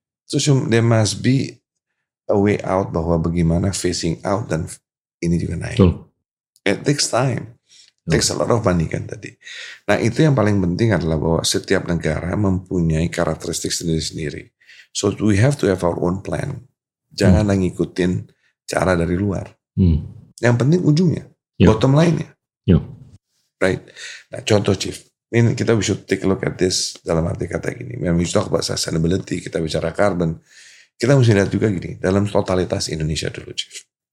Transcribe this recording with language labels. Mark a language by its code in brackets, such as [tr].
[en] So there must be a way out [id] bahwa bagaimana [en] facing out [id] dan ini juga naik. [en] True. It takes time. True. Takes a lot of money [id] kan tadi. Nah itu yang paling penting adalah bahwa setiap negara mempunyai karakteristik sendiri-sendiri. [en] So we have to have our own plan. [id] Jangan ngikutin cara dari luar. Yang penting ujungnya. Yeah. Bottom line-nya. [en] Yeah. Right? [id] Nah contoh chief. Ini kita [en] we should take a look at this [id] dalam arti kata gini. [en] When we talk about sustainability, [id] kita bicara carbon, kita mesti lihat juga gini, dalam totalitas Indonesia dulu, Chief.